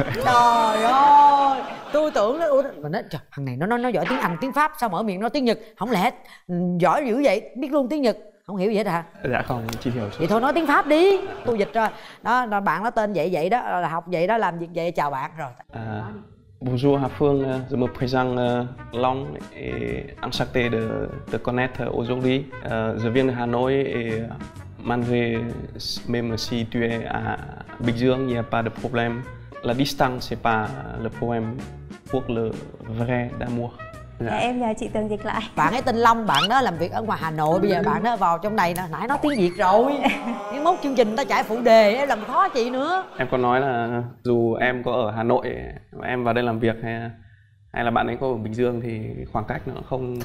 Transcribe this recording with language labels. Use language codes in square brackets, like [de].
[vi] Trời ơi, tôi tưởng thằng này nó giỏi tiếng Anh, tiếng Pháp, sao mở miệng nói tiếng Nhật? Không lẽ giỏi dữ vậy, biết luôn tiếng Nhật, không hiểu gì hết hả? Dạ không, chỉ hiểu chút. Vậy thôi nói tiếng Pháp đi, tôi dịch rồi. Đó, là bạn nó tên vậy vậy đó, là học vậy đó, làm việc vậy, chào bạn rồi. [fr] Bonjour Hà Phương, je me présente Long et enchanté de te connaître aujourd'hui. Je viens de Hà Nội et malgré même si tu es à Bình Dương, il n'y a pas de problème. La distance c'est pas le problème pour le vrai d'amour. [vi] Dạ. Em nhờ chị Tường dịch lại. Bạn ấy tên Long, bạn đó làm việc ở ngoài Hà Nội. Bây giờ bạn đó vào trong này nè, nãy nói tiếng Việt rồi. Nếu mốt chương trình ta chạy phụ đề em làm khó chị nữa. Em có nói là dù em có ở Hà Nội và em vào đây làm việc hay là bạn ấy có ở Bình Dương thì khoảng cách nó không